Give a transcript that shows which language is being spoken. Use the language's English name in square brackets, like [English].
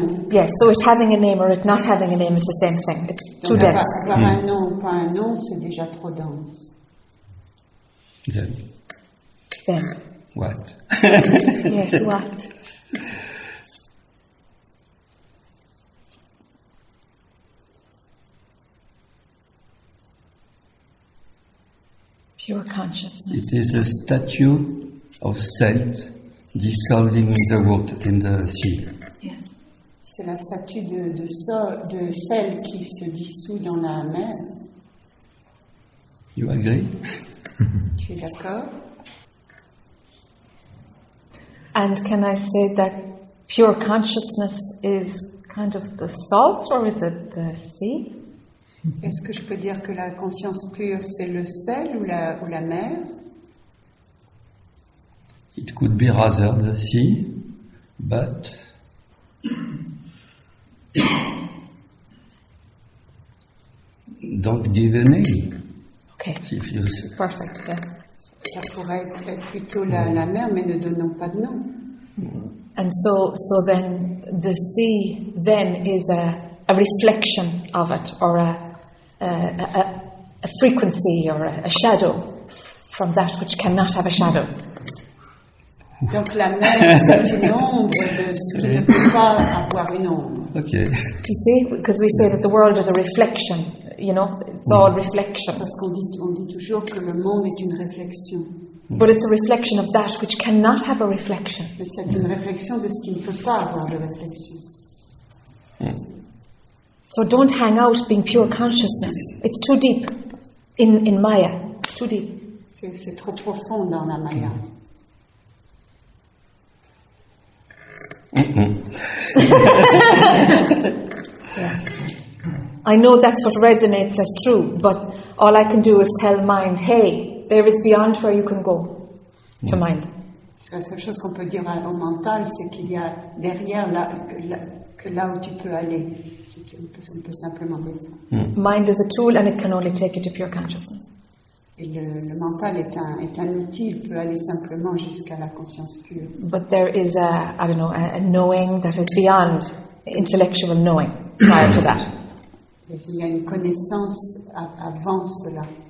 [English] Yes, so it having a name or it not having a name is the same thing. It's too [French] donc, [English] dense. [French] Avoir un nom ou pas un nom, c'est déjà trop dense. [English] Then. What? Yes, what? Pure consciousness. It is a statue of salt dissolving in the water in the sea. Yes. [French] C'est la statue de sel qui se dissout dans la mer. [English] You agree? [French] Tu es d'accord? [English] And can I say that pure consciousness is kind of the salt or is it the sea? [French] Est-ce que je peux dire que la conscience pure c'est le sel ou la mer? [English] It could be rather the sea, but don't give a name. Okay. If you say. Perfect. Yeah. [French] Ça pourrait être plutôt la mer, mais ne donnons pas de nom. [English] And so then the sea then is a reflection of it or a frequency or a shadow from that which cannot have a shadow. [French] Donc la mer c'est une ombre de ce qui ne peut pas avoir une ombre. [English] Okay. You see, because we say that the world is a reflection. You know, it's all reflection. [French] Parce qu'on dit toujours que le monde est une réflexion. [English] But it's a reflection of that which cannot have a reflection. [French] Mais c'est une réflexion de ce qui ne peut pas avoir de réflexion. [English] So don't hang out being pure consciousness. It's too deep in Maya. It's too deep. [French] C'est trop profond dans la Maya. [English] I know that's what resonates as true, but all I can do is tell mind, hey, there is beyond where you can go to mind. [French] La seule chose qu'on peut dire au mental, c'est qu'il y a derrière là où tu peux aller. On peut simplement dire ça. [English] Mind is a tool and it can only take you to pure consciousness. [French] Et le mental est un outil, il peut aller simplement jusqu'à la conscience pure. [English] But there is a knowing that is beyond intellectual knowing prior to that. [French] Et il y a une connaissance avant cela.